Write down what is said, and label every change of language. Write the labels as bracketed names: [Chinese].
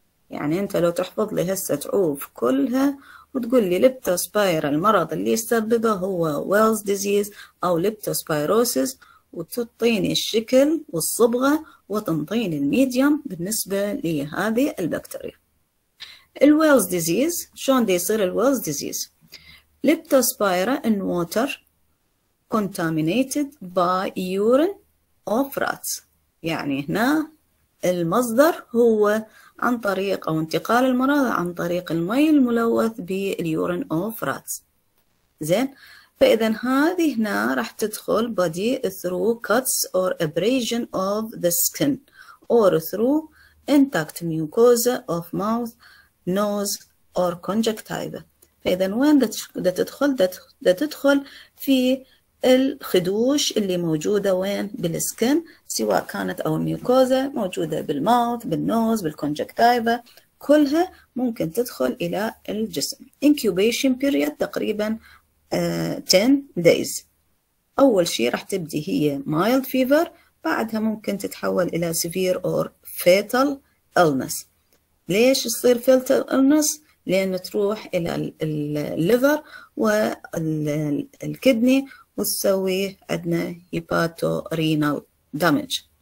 [Arabic] يعني انت لو تحفظ لي هسه تعوف كلها وتقول لي ليبتوسباير المرض اللي سببه هو ويلز ديزيز او ليبتوسبايروسيس، وتعطيني الشكل والصبغه وتنطيني الميديوم بالنسبه لهذه البكتيريا. الويلز ديزيز شلون دي يصير الويلز ديزيز؟ [English] Leptospira in water contaminated by urine of rats. [Arabic] يعني هنا المصدر هو عن طريق أو انتقال المرض عن طريق المي الملوث باليورين [English] of rats. [Arabic] زين، فإذا هذه هنا راح تدخل [English] body through cuts or abrasion of the skin or through intact mucosa of mouth, nose or conjunctiva. [Arabic] فإذا وين دا تدخل؟ دا تدخل في الخدوش اللي موجودة وين؟ بالسكن، سواء كانت أو الميوكوزا موجودة بالماوث، بالنوز، بالكونجكتايفا، كلها ممكن تدخل إلى الجسم. [English] incubation period [Arabic] تقريباً [English] 10 days. [Arabic] أول شيء راح تبدي هي [English] mild fever، [Arabic] بعدها ممكن تتحول إلى [English] severe or fatal illness. [Arabic] ليش يصير [English] fatal illness؟ [Arabic] لأن تروح إلى الليفر والكدني وتسوي عندنا هيباتو رينال دامج.